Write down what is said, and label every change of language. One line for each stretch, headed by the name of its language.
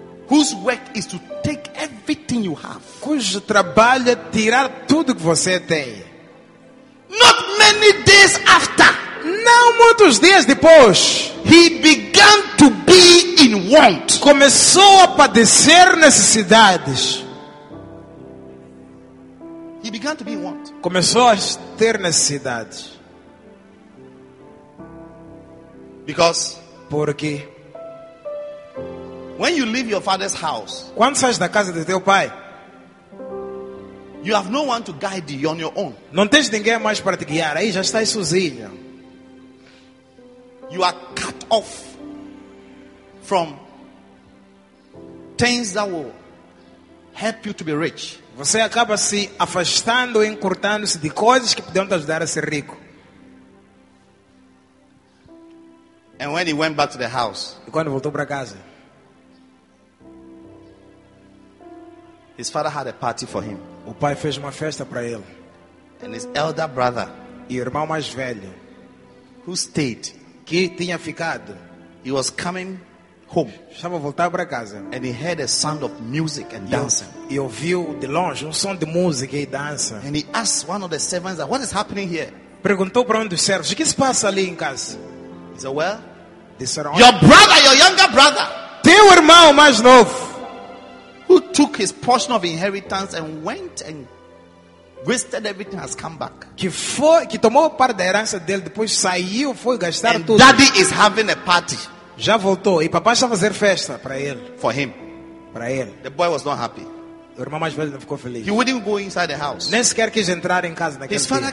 English: Whose work is to take everything you have.
Portuguese: Cujo trabalho é tirar tudo que você tem.
English: Not many days after.
Portuguese: Não muitos dias depois,
English: he began to be in want.
Portuguese: Começou a padecer necessidades.
English: He began to be in want.
Portuguese: Começou a ter necessidades.
English: Because
Portuguese: porque
English: when you leave your father's house,
Portuguese: quando sai da casa de teu pai,
English: you have no one to guide you on your own.
Portuguese: Não tens ninguém mais para te guiar, aí já estás sozinho.
English: You are cut off from things that will help you to be rich.
Portuguese: Você acaba se afastando e encurtando-se de coisas que podem te ajudar a ser rico.
English: And when he went back to the house,
Portuguese: e quando voltou para casa,
English: his father had a party for him.
Portuguese: O pai fez uma festa para ele.
English: And his elder brother,
Portuguese: e o irmão mais velho,
English: who stayed,
Portuguese: que tinha ficado,
English: he was coming home.
Portuguese: Estava a voltar para casa.
English: And he heard a sound of music and dancing.
Portuguese: E ouviu de longe som de música e dança.
English: And he asked one of the servants, "What is happening here?"
Portuguese: Perguntou para dos servos, "O que se passa ali em casa?"
English: He said, "Well,
Portuguese: disseram,
English: your brother, your younger brother,
Portuguese: teu irmão mais novo,
English: who took his portion of inheritance and went and wasted everything, has come back.
Portuguese: Que tomou parte da herança dele, depois saiu, foi gastar
English: and
Portuguese: tudo.
English: Daddy is having a party.
Portuguese: Já voltou e papai está a fazer festa para ele.
English: For him,
Portuguese: para ele.
English: The boy was not happy.
Portuguese: O irmão mais velho não ficou feliz.
English: He wouldn't go inside the house.
Portuguese: Nem sequer quis entrar em casa naquele
English: His father